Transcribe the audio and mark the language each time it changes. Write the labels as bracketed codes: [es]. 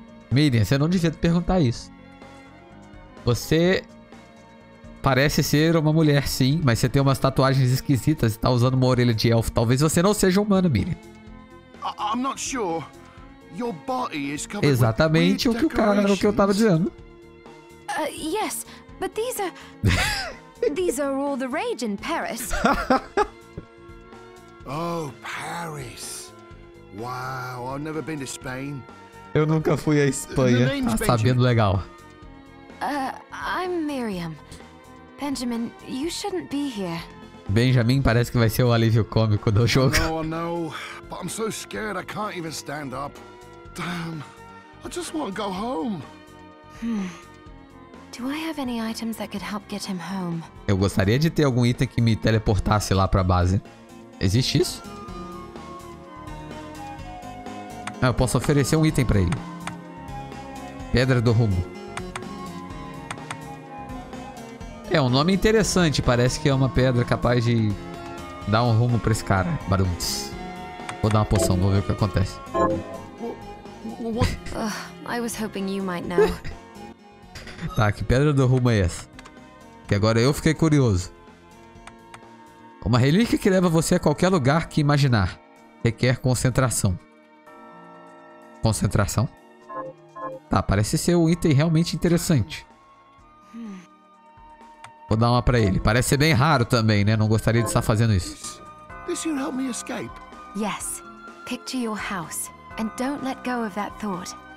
[pt] Miriam, você não devia perguntar isso. Você parece ser uma mulher, sim, mas você tem umas tatuagens esquisitas e tá usando uma orelha de elfo. Talvez você não seja humano, Miriam. [en] I'm not sure. Your body is covered. [pt] Exatamente o que o cara era, o que eu tava dizendo. [en] Yes. But these are all the rage in Paris. Oh, Paris. Wow, I've never been to Spain. [pt] Eu nunca fui à Espanha. Tá sabendo legal. [en] I'm Miriam. Benjamin, you shouldn't be here. [pt] Benjamin parece que vai ser o alívio cômico do jogo. [en] Oh, no, but I'm so scared I can't even stand up. Damn. I just want to go home. Do I have any items that could help get him home? [pt] Eu gostaria de ter algum item que me teleportasse lá pra base. Existe isso? Ah, eu posso oferecer um item pra ele. Pedra do Rumo. É um nome interessante. Parece que é uma pedra capaz de dar um rumo pra esse cara. Barunts. Vou dar uma poção, vou ver o que acontece. [en] I was hoping you might know. [pt] Tá, que pedra do rumo é essa? Que agora eu fiquei curioso. Uma relíquia que leva você a qualquer lugar que imaginar. Requer concentração. Concentração? Tá, parece ser um item realmente interessante. Vou dar uma pra ele. Parece ser bem raro também, né? Não gostaria de estar fazendo isso. Isso aqui me ajudou a escapar. [en] Yes. Picture your house and don't let go of that thought.